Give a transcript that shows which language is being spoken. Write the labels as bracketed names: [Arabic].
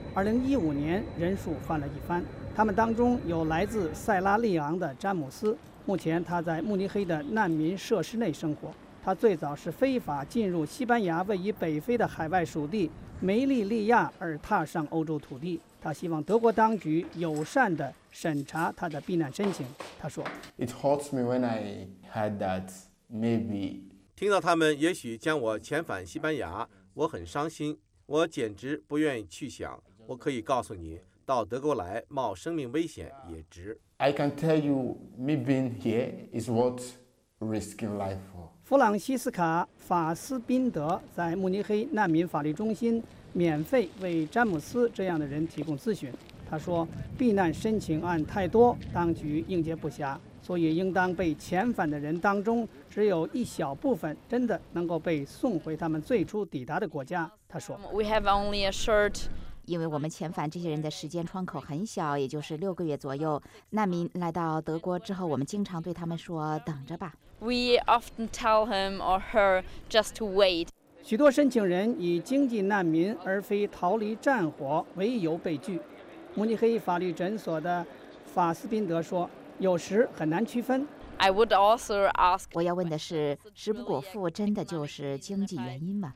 [Chinese] 2015年，人数翻了一番。他们当中有来自塞拉利昂的詹姆斯，目前他在慕尼黑的难民设施内生活。他最早是非法进入西班牙位于北非的海外属地梅利利亚而踏上欧洲土地。他希望德国当局友善地审查他的避难申请。他说 [English] ：“It hurts me when I heard that.” Maybe. [Chinese] 听到他们也许将我遣返西班牙，我很伤心，我简直不愿意去想。我可以告诉你，到德国来冒生命危险也值。 [English] I can tell you, me being here is worth risking life for. [Chinese] 弗朗西斯卡·法斯宾德在慕尼黑难民法律中心免费为詹姆斯这样的人提供咨询。他说，避难申请案太多，当局应接不暇。所以应当被遣返的人当中，只有一小部分真的能够被送回他们最初抵达的国家。他说 [English] ：“We have only a short， [Chinese] 因为我们遣返这些人的时间窗口很小，也就是6个月左右。难民来到德国之后，我们经常对他们说‘等着吧’。 [English] We often tell him or her just to wait。 [Chinese] 许多申请人以经济难民而非逃离战火为由被拒。慕尼黑法律诊所的法斯宾德说。” 有时很难区分。 [English] I would also ask, [Chinese] 我要问的是，食不果腹真的就是经济原因吗